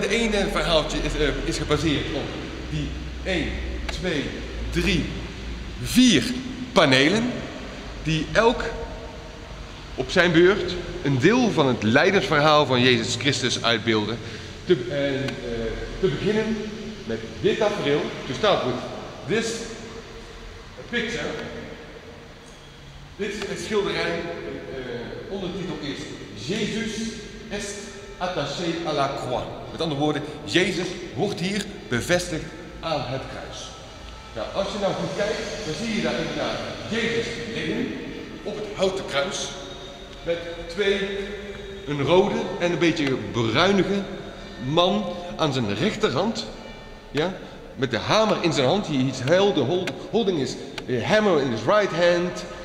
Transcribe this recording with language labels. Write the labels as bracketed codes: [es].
[nl] De ene verhaaltje is gebaseerd op die 1, 2, 3, 4 panelen die elk op zijn beurt een deel van het lijdensverhaal van Jezus Christus uitbeelden. Te beginnen met dit tafereel. [en] To start with this picture. [nl] Dit is een schilderij. Ondertitel is [fr] Jezus est attaché à la croix. [nl] Met andere woorden, Jezus wordt hier bevestigd aan het kruis. Nou, als je nou goed kijkt, dan zie je daar inderdaad Jezus liggen op het houten kruis. Met twee, een rode en een beetje bruinige man aan zijn rechterhand. Ja, met de hamer in zijn hand. [en] He's held, holding his hammer in his right hand.